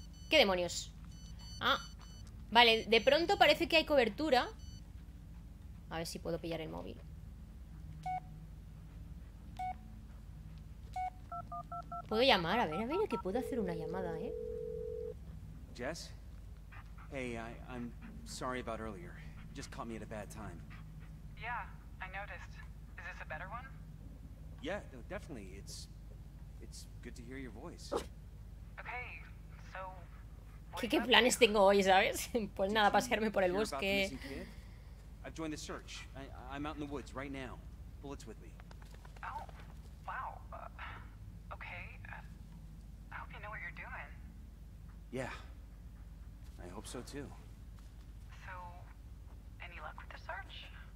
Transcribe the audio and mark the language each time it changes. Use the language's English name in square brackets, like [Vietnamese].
[Spanish] ¿Qué demonios? Ah... Vale, de pronto parece que hay cobertura. A ver si puedo pillar el móvil. ¿Puedo llamar? A ver, que puedo hacer una llamada, ¿eh? [English] Jess? Hey, I'm sorry about earlier. You just caught me at a bad time. Yeah, I noticed. Is this a better one? Yeah, no, definitely. It's good to hear your voice. Okay, so... [Spanish] ¿Qué planes tengo hoy, sabes? Pues nada, pasearme por el bosque. [English] I've joined the search. I'm out in the woods right now. Bullets with me. Oh, wow. Okay. I hope you know what you're doing. Yeah. I hope so too. So, any luck with the search?